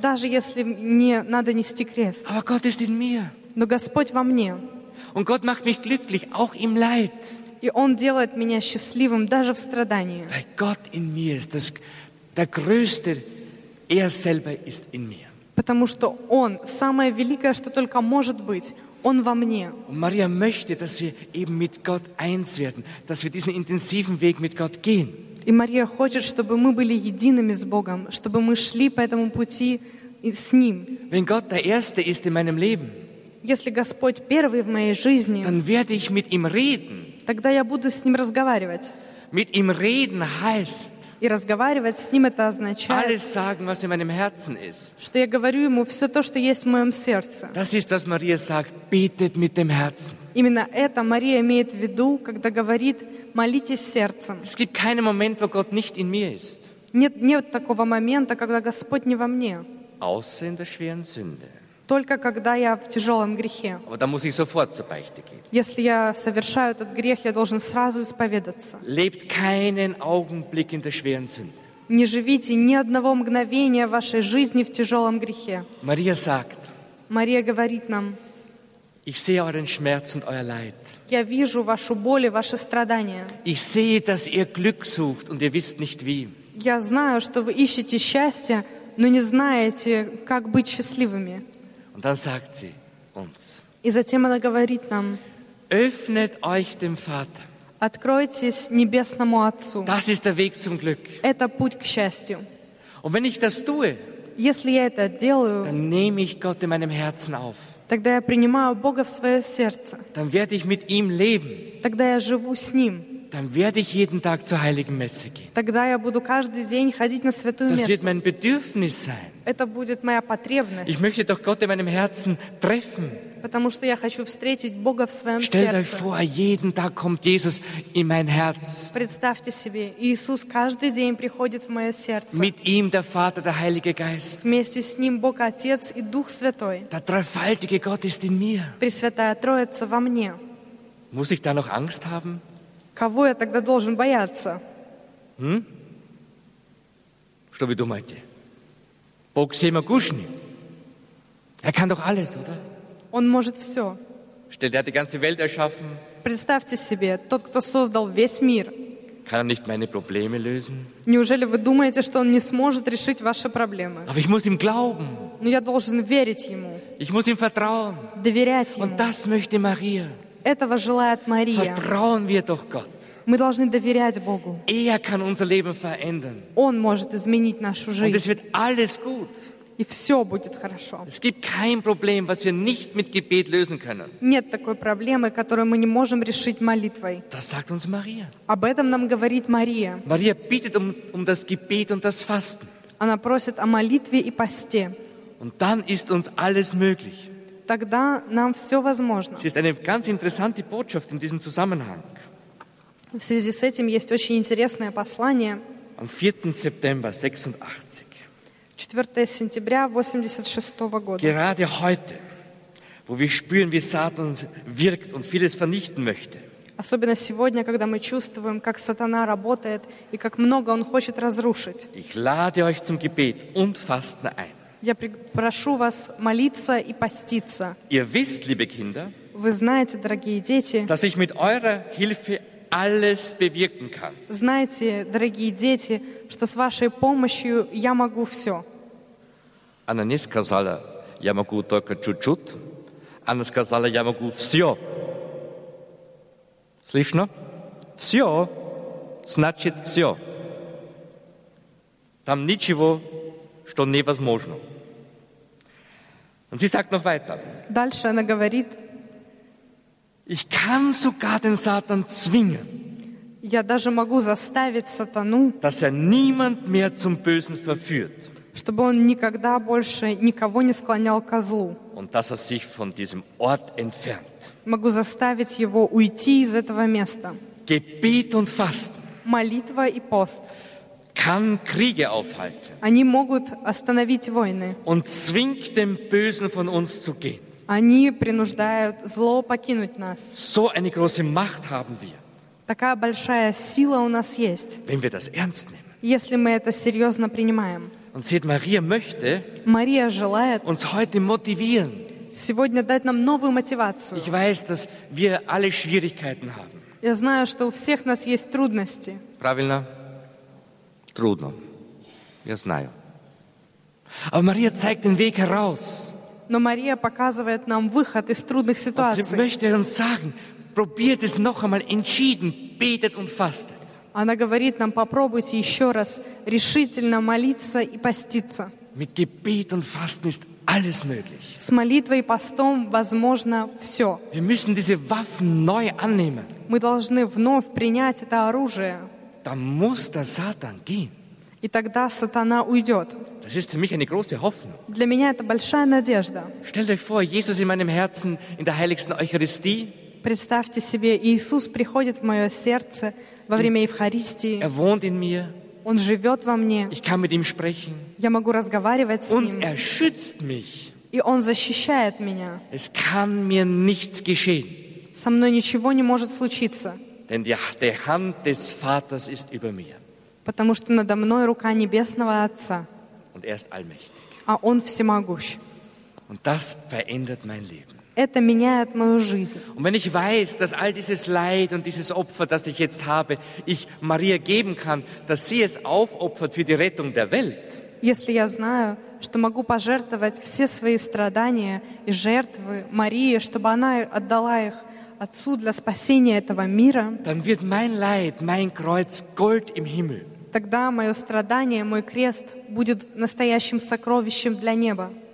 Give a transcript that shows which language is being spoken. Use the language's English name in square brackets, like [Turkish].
[Russian] Даже если мне надо нести крест. [German] Aber Gott ist in mir. [Russian] Но Господь во мне. [German] Und Gott macht mich glücklich, auch im Leid. [Russian] И Он делает меня счастливым даже в страдании. [German] Weil Gott in mir ist, das, der Größte, er selber ist in mir. [Russian] Потому что Он самое великое, что только может быть. Он во мне. [German] Maria möchte, dass wir eben mit Gott eins werden, dass wir diesen intensiven Weg mit Gott gehen. [Russian] И Мария хочет, чтобы мы были едиными с Богом, чтобы мы шли по этому пути с Ним. [German] Wenn Gott der Erste ist in meinem Leben, [Russian] если Господь первый в моей жизни, [German] dann werde ich mit ihm reden. [Russian] Тогда я буду с Ним разговаривать. [German] Mit ihm reden heißt, [Russian] и разговаривать с Ним это означает [German] alles sagen, was in meinem Herzen ist. [Russian] Что я говорю Ему все то, что есть в моем сердце. [German] Das ist, was Maria sagt, betet mit dem Herzen. [Russian] Именно это Мария имеет в виду, когда говорит молитесь сердцем. [German] Es gibt keinen Moment, wo Gott nicht in mir ist. [Russian] Нет такого момента, когда Господь не во мне. [German] Außer in der schweren Sünde. [Russian] Только когда я в тяжелом грехе. [German] Aber dann muss ich sofort zur Beichte gehen. [Russian] Если я совершаю этот грех, я должен сразу исповедаться. [German] Lebt keinen Augenblick in der schweren Sünde. [Russian] Не живите ни одного мгновения вашей жизни в тяжелом грехе. [German] Мария sagt, [Russian] Мария говорит нам, [German] ich sehe euren Schmerz und euer Leid. [Russian] Я вижу вашу боль и ваши страдания. [German] Ich sehe, dass ihr Glück sucht und ihr wisst nicht wie. [Russian] Я знаю, что вы ищете счастье, но не знаете, как быть счастливыми. [German] Und dann sagt sie uns, [Russian] и затем она говорит нам, [German] öffnet euch dem Vater. [Russian] Откройтесь небесному Отцу. [German] Das ist der Weg zum Glück. [Russian] Это путь к счастью. [German] Und wenn ich das tue, [Russian] если я это делаю, [German] dann nehme ich Gott in meinem Herzen auf. [Russian] Тогда я принимаю Бога в свое сердце. [German] Dann werde ich mit ihm leben. [Russian] Тогда я живу с ним. [German] Dann werde ich jeden Tag zur Heiligen Messe gehen. [Russian] Тогда я буду каждый день ходить на Святую Мессу. [German] Das wird mein Bedürfnis sein. [Russian] Это будет моя потребность. [German] Ich möchte doch Gott in meinem Herzen treffen. [Russian] Потому что я хочу встретить Бога в своем сердце. [German] Stellt euch vor, jeden Tag kommt Jesus in mein Herz. [Russian] Представьте себе, Иисус каждый день приходит в мое сердце. [German] Mit ihm der Vater, der Heilige Geist. [Russian] Вместе с ним Бог Отец и Дух Святой. [German] Der dreifaltige Gott ist in mir. [Russian] Пресвятая Троица во мне. [German] Muss ich da noch Angst haben? [Russian] Кого я тогда должен бояться? Что вы думаете? Бог всемогущий. [German] Er kann doch alles, oder? [Russian] Он может все. [German] Stellt er die ganze Welt erschaffen? [Russian] Представьте себе, тот, кто создал весь мир. [German] Kann er nicht meine Probleme lösen? [Russian] Неужели вы думаете, что он не сможет решить ваши проблемы? [German] Aber ich muss ihm glauben. [Russian] Но я должен верить ему. [German] Ich muss ihm vertrauen. [Russian] Доверять ему. [German] Und das möchte Maria. [Russian] Этого желает Мария. [German] Vertrauen wir doch Gott. [Russian] Мы должны доверять Богу. [German] Er kann unser Leben verändern. [Russian] Он может изменить нашу жизнь. [German] Und es wird alles gut. [Russian] И все будет хорошо. [German] Es gibt kein Problem, was wir nicht mit Gebet lösen können. [Russian] Нет такой проблемы, которую мы не можем решить молитвой. [German] Das sagt uns Maria. [Russian] Об этом нам говорит Мария. [German] Maria bittet um das Gebet und das Fasten. [Russian] Она просит о молитве и посте. [German] Und dann ist uns alles möglich. [Russian] Тогда нам все возможно. [German] Es ist eine ganz interessante Botschaft in diesem Zusammenhang. [Russian] В связи с этим есть очень интересное послание. [German] Am 4. September 86. [Russian] 4 сентября 86 года. [German] Gerade heute, wo wir spüren, wie Satan wirkt und vieles vernichten möchte. [Russian] Особенно сегодня, когда мы чувствуем, как сатана работает и как много он хочет разрушить. [German] Ich lade euch zum Gebet und Fasten ein. [Russian] Я прошу вас молиться и поститься. [German] Ihr wisst, liebe Kinder, [Russian] вы знаете, дорогие дети, [German] dass ich mit eurer Hilfe alles bewirken kann. [Russian] Знаете, дорогие дети, что с вашей помощью я могу все. Она не сказала, я могу только чуть-чуть. Она сказала, я могу все. Слышно? Все значит все. Там ничего, что невозможно. [German] Und sie sagt noch weiter. [Russian] Дальше она говорит, [German] ich kann sogar den Satan zwingen. [Russian] Я даже могу заставить сатану, [German] dass er niemand mehr zum Bösen verführt, [Russian] чтобы он никогда больше никого не склонял ко злу. [German] Und dass er sich von diesem Ort entfernt. [Russian] Могу заставить его уйти из этого места. [German] Gebet und Fasten. [Russian] Молитва и пост. [German] Kann Kriege aufhalten. [Russian] Они могут остановить войны. [German] Und zwingt dem Bösen von uns zu gehen. [Russian] Они принуждают зло покинуть нас. [German] So eine große Macht haben wir. [Russian] Такая большая сила у нас есть. [German] Wenn wir das ernst nehmen. [Russian] Если мы это серьезно принимаем. [German] Und seht, Maria möchte, [Russian] Мария желает [German] uns heute motivieren. [Russian] Сегодня дать нам новую мотивацию. [German] Ich weiß, dass wir alle Schwierigkeiten haben. [Russian] Я знаю, что у всех нас есть трудности. Правильно? Трудно. Я знаю. [German] Aber Maria zeigt den Weg heraus. [Russian] Но Мария показывает нам выход из трудных ситуаций. [German] Und sie möchte uns sagen, probiert es noch einmal entschieden, betet und fastet. [Russian] Она говорит нам, попробуйте еще раз решительно молиться и поститься. [German] Mit Gebet und Fasten ist alles möglich. [Russian] С молитвой и постом возможно все. [German] Wir müssen diese Waffen neu annehmen. [Russian] Мы должны вновь принять это оружие. [German] Dann muss der Satan gehen. [Russian] И тогда сатана уйдет. [German] Das ist für mich eine große Hoffnung. [Russian] Для меня это большая надежда. [German] Stellt euch vor, Jesus in meinem Herzen in der heiligsten Eucharistie. [Russian] Представьте себе, Иисус приходит в мое сердце во время Евхаристии. [German] Er wohnt in mir. [Russian] Он живет во мне. [German] Ich kann mit ihm sprechen. [Russian] Я могу разговаривать с [German] Und [Russian] ним. [German] Er schützt mich. [Russian] И он защищает меня. [German] Es kann mir nichts geschehen. [Russian] Со мной ничего не может случиться. [German] Denn die Hand des Vaters ist über mir. [Russian] Потому что надо мной рука небесного Отца. [German] Und er ist allmächtig. [Russian] А Он всемогущ. [German] Und das verändert mein Leben. [Russian] Это меняет мою жизнь. [German] Und wenn ich weiß, dass all dieses Leid und dieses Opfer, das ich jetzt habe, ich Maria geben kann, dass sie es aufopfert für die Rettung der Welt. [Russian] Если я знаю, что могу пожертвовать все свои страдания и жертвы Марии, чтобы она отдала их Отцу для спасения этого мира, [German] dann wird mein Leid, mein Kreuz Gold im Himmel. [Russian] Тогда мое страдание, мой крест будет настоящим сокровищем для неба.